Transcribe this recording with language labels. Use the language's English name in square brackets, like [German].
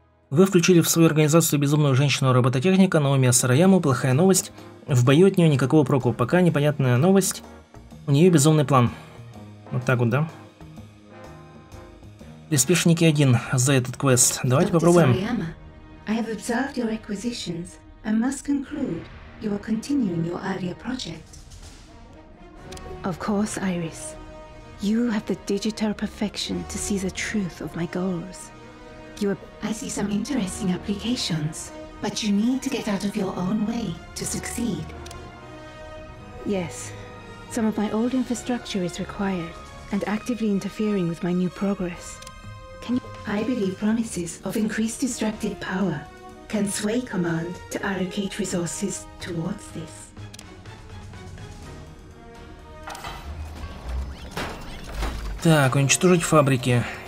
[Russian] Вы включили в свою организацию безумную женщину-робототехника Наоми Сараяму, плохая новость. В бою от нее никакого проку, пока непонятная новость. У нее безумный план. Вот так вот, да? Приспешники один за этот квест. Давайте попробуем. [English] I have observed your acquisitions and must conclude you are continuing your earlier project. Of course, Iris. You have the digital perfection to see the truth of my goals. You are... I see some interesting applications, but you need to get out of your own way to succeed. Yes, some of my old infrastructure is required and actively interfering with my new progress. Can you... I believe promises of increased destructive power can sway command to allocate resources towards this. [Russian] Так, уничтожить фабрики.